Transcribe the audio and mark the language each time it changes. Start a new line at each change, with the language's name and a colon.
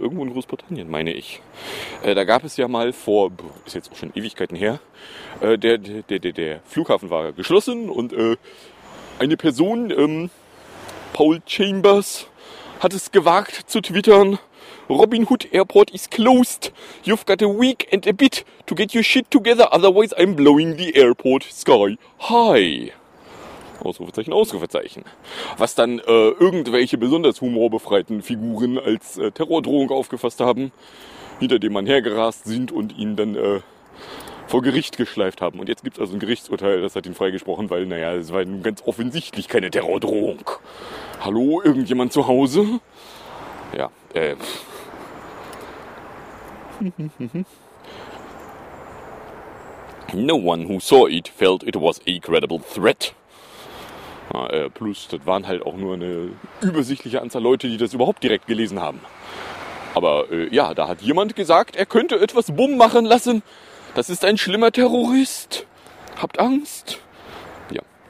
German: Irgendwo in Großbritannien, meine ich. Da gab es ja mal vor, ist jetzt auch schon Ewigkeiten her, der Flughafen war geschlossen und eine Person, Paul Chambers, hat es gewagt zu twittern:
English: Robin Hood Airport is closed. You've got a week and a bit to get your shit together, otherwise I'm blowing the airport sky high.
German: Ausrufezeichen, Ausrufezeichen. Was dann irgendwelche besonders humorbefreiten Figuren als Terrordrohung aufgefasst haben, hinter dem man hergerast sind und ihn dann vor Gericht geschleift haben. Und jetzt gibt es also ein Gerichtsurteil, das hat ihn freigesprochen, weil, naja, es war nun ganz offensichtlich keine Terrordrohung. Hallo, irgendjemand zu Hause?
English: Ja, No one who saw it felt it was a credible threat.
German: Plus, das waren halt auch nur eine übersichtliche Anzahl Leute, die das überhaupt direkt gelesen haben. Aber ja, da hat jemand gesagt, er könnte etwas bumm machen lassen. Das ist ein schlimmer Terrorist. Habt Angst. Ja.